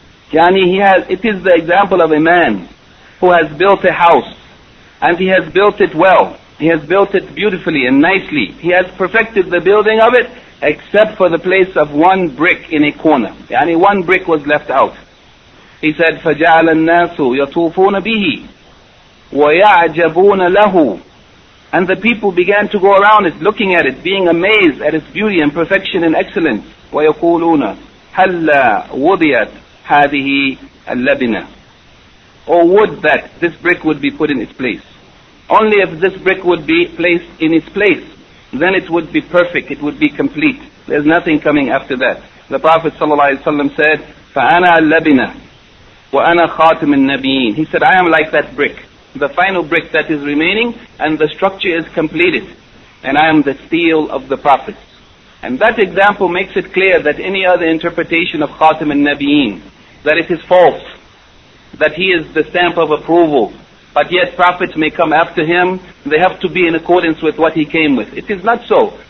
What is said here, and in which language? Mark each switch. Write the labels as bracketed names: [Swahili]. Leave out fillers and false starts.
[English] Yani he has, it is the example of a man who has built a house, and he has built it well. He has built it beautifully and nicely. He has perfected the building of it, except for the place of one brick in a corner. Yani one brick was left out. He said, [Arabic] فَجَعَلَ النَّاسُ يَطُوفُونَ بِهِ وَيَعْجَبُونَ لَهُ. [English] And the people began to go around it, looking at it, being amazed at its beauty and perfection and excellence. [Arabic] وَيَقُولُونَ هَلَّا وُضِيَتْ هَذِهِ اللَّبِنَةِ. [English] Or would that this brick would be put in its place. Only if this brick would be placed in its place, then it would be perfect, it would be complete. There's nothing coming after that. The Prophet ﷺ said, [Arabic] فَأَنَا اللَّبِنَةِ وَأَنَا خَاتِمِ النَّبِيِّينَ. [English] He said, I am like that brick, the final brick that is remaining, and the structure is completed, and I am the seal of the Prophet. And that example makes it clear that any other interpretation of Khatim al-Nabiyin, that it is false, that he is the stamp of approval, but yet Prophets may come after him, they have to be in accordance with what he came with. It is not so.